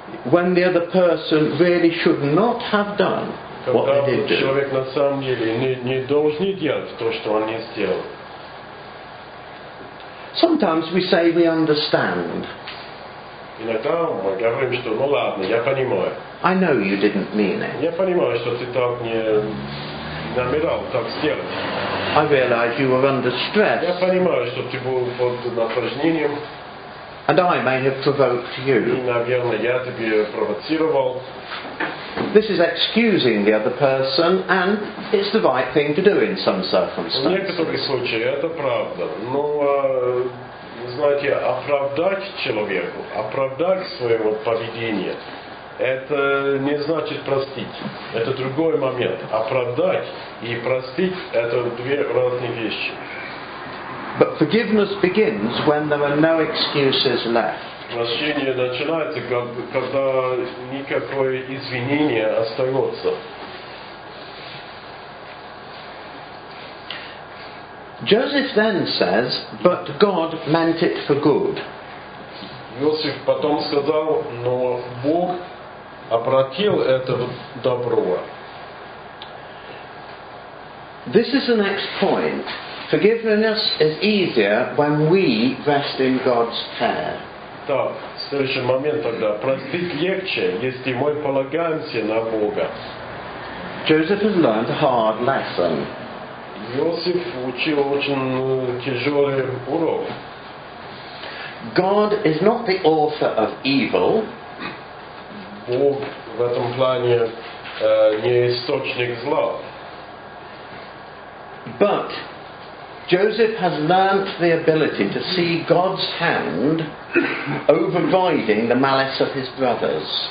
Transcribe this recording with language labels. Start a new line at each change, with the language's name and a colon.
English: When the other person really should not have done what they did.
Russian: Когда человек на самом деле не должен делать то, что он не сделал.
English: Sometimes we say we understand.
Russian: Иногда мы говорим, что ладно, я понимаю.
English: I know you didn't mean it.
Russian: Я понимаю, что ты так не намерял так сделать.
English: I realize you were under stress.
Russian: Я понимаю, что ты был под напряжением.
English: And I may have provoked you.
Russian: И, наверное, я тебя провоцировал.
English: This is excusing the other person, and it's the right thing to do in some circumstances.
Russian: В некоторых случаях это правда. Но, знаете, оправдать человеку, оправдать свое поведение, это не значит простить. Это другой момент. Оправдать и простить – это две разные вещи.
English: But forgiveness begins when there are no excuses left.
Russian: прощение начинается, когда никакое извинение остается.
English: Joseph then says, but God meant it for good.
Russian: Иосиф потом сказал, но Бог обратил это в добро.
English: This is the next point. Forgiveness is easier when we rest in God's care.
Russian: Так, следующий момент тогда. Простить легче, если мы полагаемся на Бога.
English: Joseph has learned a hard lesson.
Russian: Иосиф учил очень тяжелый урок.
English: God is not the author of evil.
Russian: Бог в этом плане не источник зла.
English: But Joseph has learned the ability to see God's hand overriding the malice of his brothers.